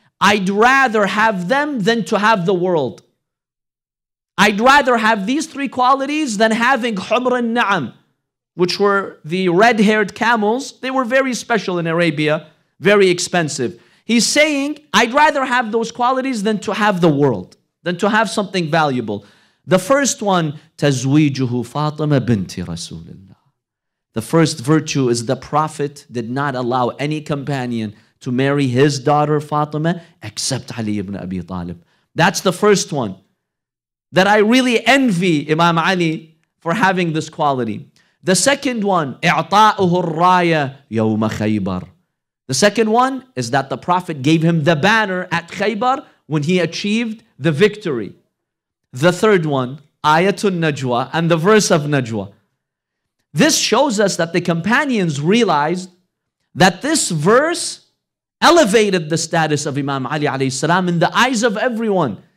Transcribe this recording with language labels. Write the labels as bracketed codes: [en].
[en] I'd rather have them than to have the world. I'd rather have these three qualities than having Humr al-Na'am, which were the red-haired camels. They were very special in Arabia, very expensive. He's saying, I'd rather have those qualities than to have the world, than to have something valuable. The first one, [ar] تَزْوِيجُهُ فَاطِمَ بِنْتِ رَسُولِ اللَّهِ. [en] The first virtue is the Prophet did not allow any companion to marry his daughter Fatima except Ali ibn Abi Talib. That's the first one that I really envy Imam Ali for having this quality. The second one, [ar] اِعْطَاؤُهُ الرَّايَةِ يَوْمَ خَيْبَرِ. [en] The second one is that the Prophet gave him the banner at Khaybar when he achieved the victory. The third one, Ayatul Najwa, and the verse of Najwa. This shows us that the companions realized that this verse elevated the status of Imam Ali alayhi salam in the eyes of everyone.